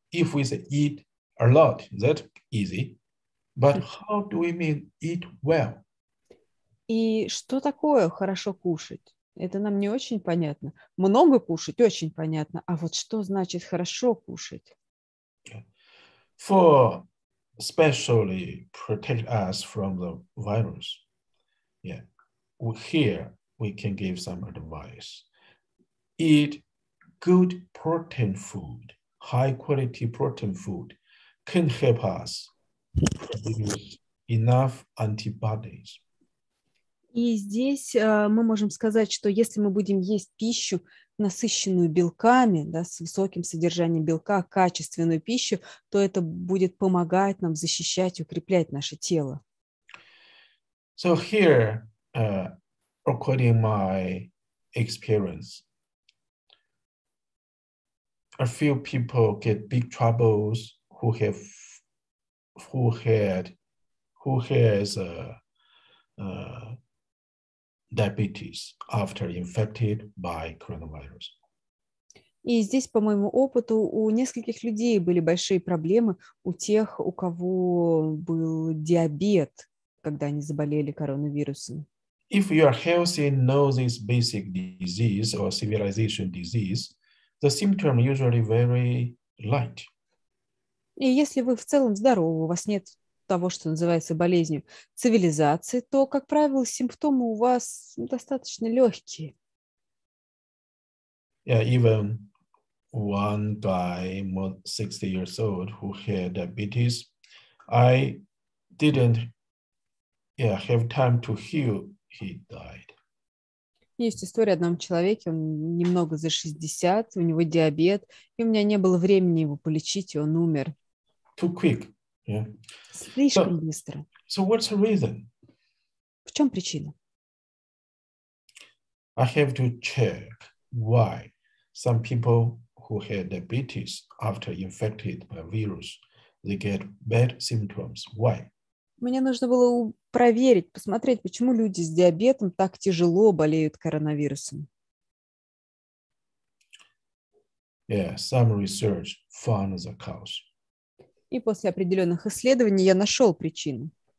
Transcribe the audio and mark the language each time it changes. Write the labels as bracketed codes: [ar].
[en] If we say eat a lot, that's easy. But how do we mean eat well? [ru] И что такое хорошо кушать? Это нам не очень понятно. Много кушать очень понятно. А вот что значит хорошо кушать? [en] For especially protect us from the virus. Yeah. Here we can give some advice. Eat good protein food, high quality protein food can help us produce enough antibodies. [ru] И здесь мы можем сказать, что если мы будем есть пищу, насыщенную белками, да, с высоким содержанием белка, качественную пищу, то это будет помогать нам защищать и укреплять наше тело. [en] So here, according to my experience, a few people get big troubles who has diabetes after infected by coronavirus. [ru] И здесь, по моему опыту, у нескольких людей были большие проблемы у тех, у кого был диабет, когда они заболели коронавирусом. [en] If you are healthy and know this basic disease or civilization disease, the symptom usually very light. [ru] И если вы в целом здоровы, у вас нет того, что называется болезнью цивилизации, то, как правило, симптомы у вас достаточно легкие. [en] Yeah, even one guy, 60 years old, who had diabetes, I didn't have time to heal, he died. [ru] Есть история о одном человеке, он немного за 60, у него диабет, и у меня не было времени его полечить, и он умер. [en] Too quick. Yeah. [ru] Слишком быстро. [en] So what's the reason? [ru] В чем причина? [en] I have to check why some people who had diabetes after infected by virus, they get bad symptoms. Why? [ru] Мне нужно было проверить, посмотреть, почему люди с диабетом так тяжело болеют коронавирусом. [en] Yeah, some research found the cause. [ru] И после определенных исследований я нашел причину.